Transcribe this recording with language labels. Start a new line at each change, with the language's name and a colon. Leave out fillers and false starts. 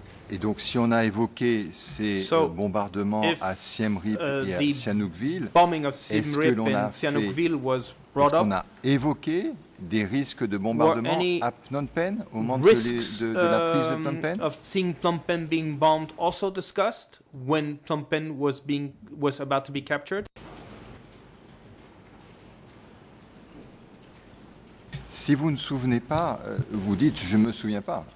French: Et donc, si on a évoqué ces bombardements à Siem Reap et à Sihanoukville, est-ce qu'on a évoqué des risques de bombardement à Phnom Penh au moment de la prise de Phnom Penh?
English: Of seeing Phnom Penh being bombed also discussed when Phnom Penh was about to be captured?
French: Si vous ne vous souvenez pas, vous dites je ne me souviens pas.